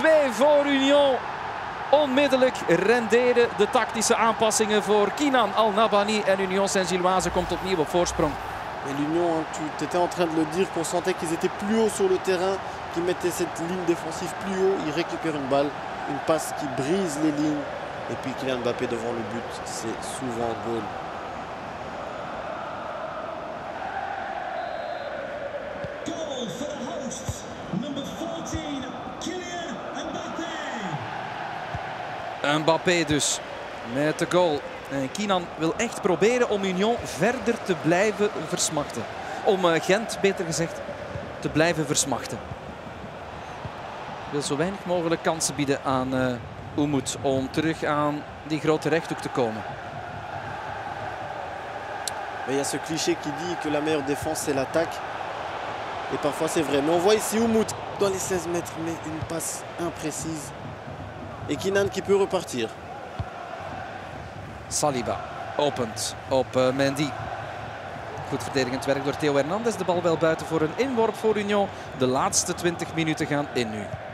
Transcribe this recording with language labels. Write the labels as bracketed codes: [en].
[nl] 3-2 voor Union. Onmiddellijk renderen de tactische aanpassingen voor Kinan Al-Nabani. En Union Saint-Gilloise komt opnieuw op voorsprong. [fr] Et l'Union, tu étais en train de le dire, qu'on sentait qu'ils étaient plus haut sur le terrain, qu'ils mettaient cette ligne défensive plus haut. Ils récupèrent une balle, une passe qui brise les lignes. Et puis Kylian Mbappé devant le but, c'est souvent goal. [nl] Mbappé dus, met de goal. En Kinan wil echt proberen om Union verder te blijven versmachten. Om Gent, beter gezegd, te blijven versmachten. Wil zo weinig mogelijk kansen bieden aan Umut om terug aan die grote rechthoek te komen. [fr] Il y a ce cliché qui dit que la meilleure défense c'est l'attaque. Et parfois c'est vrai. Mais on voit ici Umut dans les 16 mètres, mais une passe imprécise. Et Kinan qui peut repartir. [nl] Saliba opent op Mendy. Goed verdedigend werk door Theo Hernandez. De bal wel buiten voor een inworp voor Union. De laatste 20 minuten gaan in nu.